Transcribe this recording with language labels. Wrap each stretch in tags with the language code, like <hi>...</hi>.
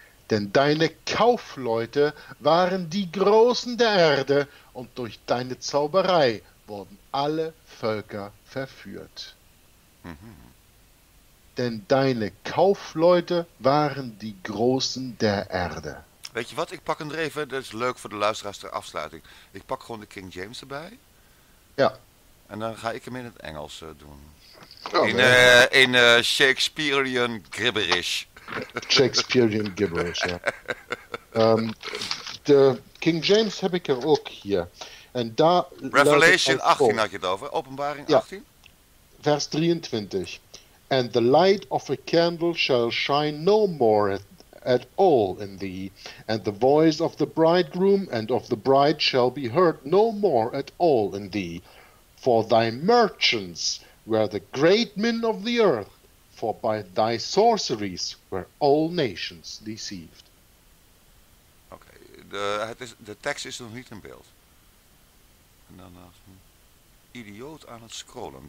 <de>Denn deine Kaufleute waren die Großen der Erde und durch deine Zauberei wurden alle Völker verführt. Denn deine Kaufleute waren die Großen der Erde.</de> <nl>Weet je wat, ik pak hem er even, dat is leuk voor de luisteraars ter afsluiting. Ik pak gewoon de King James erbij. Ja. En dan ga ik hem in het Engels doen.</nl> <en>Oh, in Shakespearean gibberish. Shakespearean gibberish, ja.</en> <nl>De King James heb ik er ook hier. En daar Revelation 18 had je het over, Openbaring 18. Vers 23.</nl> <en>And the light of a candle shall shine no more at all in thee, and the voice of the bridegroom and of the bride shall be heard no more at all in thee. For thy merchants were the great men of the earth, for by thy sorceries were all nations deceived.</en> <nl>Okay, de tekst is nog niet in beeld. En dan als een idioot aan het scrollen.</nl>